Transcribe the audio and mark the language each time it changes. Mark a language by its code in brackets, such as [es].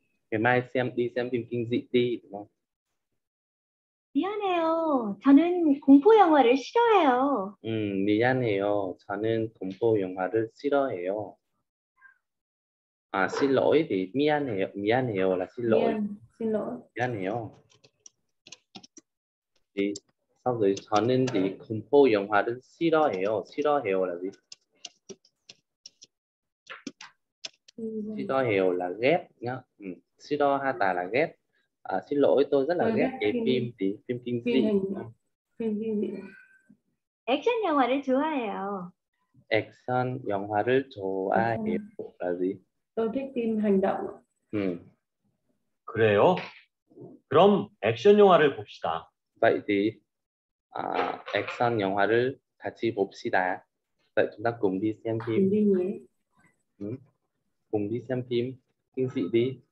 [vi] Ngày mai xem đi xem phim kinh dị đi đúng không? [ko] 미안해요. 저는 공포 영화를 싫어해요. 미안해요. 저는 공포 영화를 싫어해요. [vi] 아, xin lỗi thì 미안해요. 미안해요 là xin lỗi. 미안, xin lỗi. [ko] 미안해요. 네. 다음 rồi 저는 thì 공포 영화를 싫어해요. [vi] 싫어해요 là gì? 싫어해요 là ghét nhá. 싫어하다 là ghét. À, xin lỗi tôi rất là ghét cái phim gì phim kinh dị. [ko] Action 영화를 좋아해요. Action 영화를 좋아해요 [vi] là gì? Tôi thích phim hành động. [ko] 그래요? 그럼 액션 영화를 봅시다. [vi] Vậy thì [ko] action 영화를 같이 봅시다. [vi] Vậy chúng ta cùng đi xem phim. Cùng đi xem phim kinh dị đi.